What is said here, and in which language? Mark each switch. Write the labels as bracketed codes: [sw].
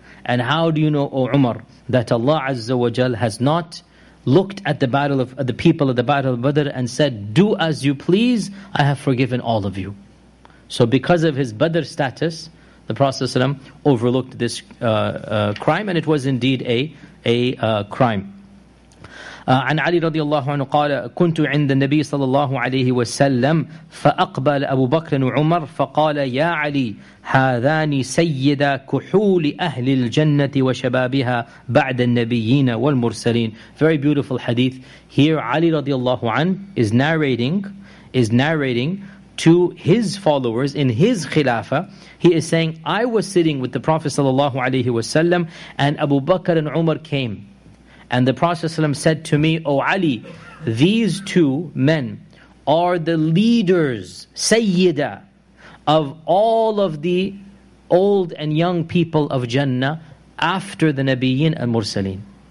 [en] And how do you know, O Umar, that Allah Azza wa Jal has not looked at the battle of the people of the battle of Badr and said, do as you please, I have forgiven all of you. So because of his Badr status, the Prophet ﷺ overlooked this crime, and it was indeed a crime. [ar] عن علي رضي الله عنه قال كنت عند النبي صلى الله عليه وسلم فأقبل أبو بكر وعمر فقال يا علي هذان سيدا كحول أهل الجنة وشبابها بعد النبيين والمرسلين. [en] Very beautiful hadith. Here Ali [ar] رضي الله عنه [en] is narrating to his followers in his khilafah. He is saying, I was sitting with the Prophet [ar] صلى الله عليه وسلم [en] and Abu Bakr and Umar came. And the Prophet ﷺ said to me, O Ali, these two men are the leaders, Sayyida, of all of the old and young people of Jannah after the Nabiyyin and Mursaleen.